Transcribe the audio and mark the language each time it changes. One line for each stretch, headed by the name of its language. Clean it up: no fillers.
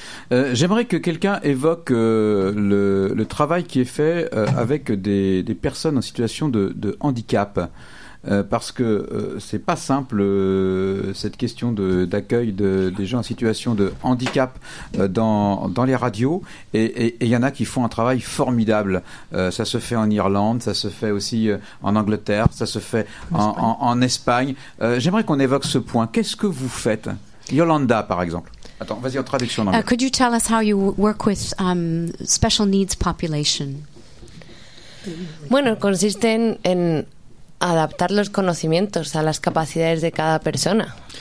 French: J'aimerais que quelqu'un évoque le travail qui est fait avec des personnes en situation de handicap, parce que c'est pas simple cette question d'accueil des gens en situation de handicap dans les radios, et il y en a qui font un travail formidable. Ça se fait en Irlande, ça se fait aussi en Angleterre, ça se fait en Espagne. J'aimerais qu'on évoque ce point. Qu'est-ce que vous faites, Yolanda, par exemple? Attends, vas-y, en traduction en anglais.
English: Could you tell us how you work with special needs population?
Spanish: Bueno, consiste en adaptar los conocimientos a las capacidades de cada persona.